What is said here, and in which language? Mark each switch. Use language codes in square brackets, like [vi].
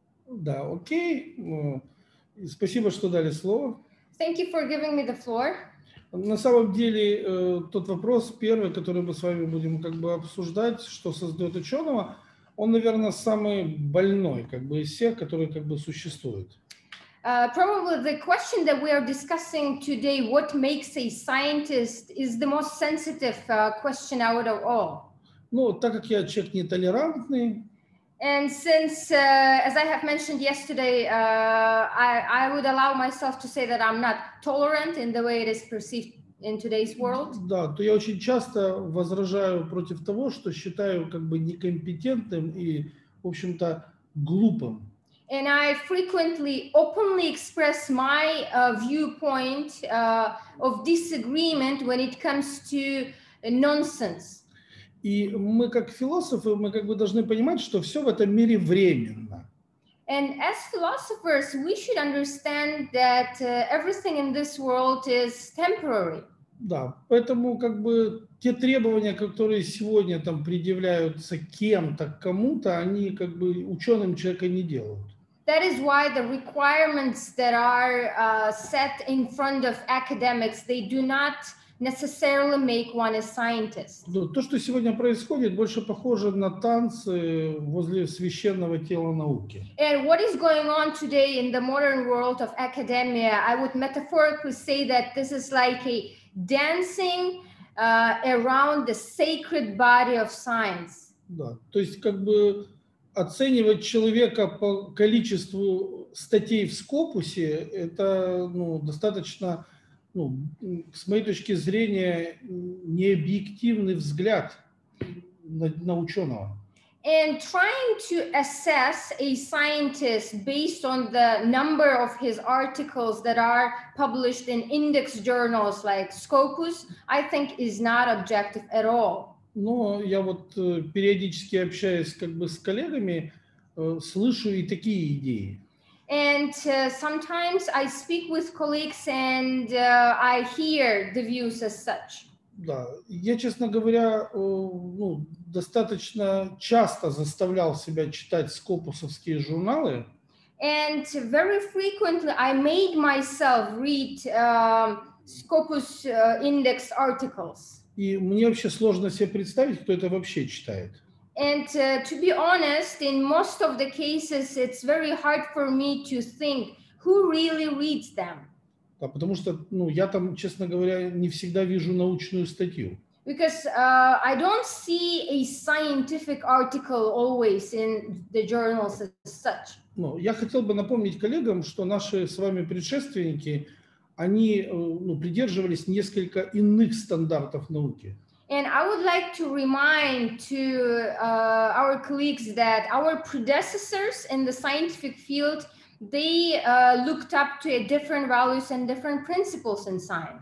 [ru] Да, окей. Спасибо, что дали слово. [en] Thank you for giving me the floor. [ru] На самом деле, тот вопрос первый, который мы с вами будем как бы обсуждать, что создает ученого, он, наверное, самый больной, как бы из всех, которые как бы существуют. [en] Probably the question that we are discussing today, what makes a scientist, is the most sensitive question out of all. [ru] Ну, так как я человек нетолерантный. [en] And since, as I have mentioned yesterday, I would allow myself to say that I'm not tolerant in the way it is perceived in today's world. [ru] Да, то я очень часто возражаю против того, что считаю как бы некомпетентным и, в общем-то, глупым. [en] And I frequently openly express my viewpoint of disagreement when it comes to nonsense. [ru] И мы как философы, мы как бы должны понимать, что все в этом мире временно. [en] And as philosophers, we should understand that everything in this world is temporary. [ru] Да, поэтому как бы те требования, которые сегодня там предъявляются кем-то, кому-то, они как бы ученым человека не делают. [en] That is why the requirements that are set in front of academics, they do not necessarily make one a scientist. [ru] То, что сегодня происходит, больше похоже на танцы возле священного тела науки. [en] And what is going on today in the modern world of academia, I would metaphorically say that this is like a dancing around the sacred body of science. [ru] Да, то есть как бы оценивать человека по количеству статей в скопусе, это достаточно... с моей точки зрения, необъективный взгляд на ученого. [en] And trying to assess a scientist based on the number of his articles that are published in index journals like Scopus, I think is not objective at all. [ru] Но я вот периодически общаюсь как бы с коллегами, слышу и такие идеи. [en] And sometimes I speak with colleagues and I hear the views as such. [ru] Да, я, честно говоря, достаточно часто заставлял себя читать скопусовские журналы. [en] And very frequently I made myself read Scopus index articles. [ru] И мне вообще сложно себе представить, кто это вообще читает. [en] And to be honest, in most of the cases, it's very hard for me to think who really reads them. [ru] Да, потому что, я там, честно говоря, не всегда вижу научную статью. [en] Because I don't see a scientific article always in the journals as such. [ru] Ну, я хотел бы напомнить коллегам, что наши с вами предшественники, они придерживались несколько иных стандартов науки. [en] And I would like to remind to our colleagues that our predecessors in the scientific field, they looked up to a different values and different principles in science.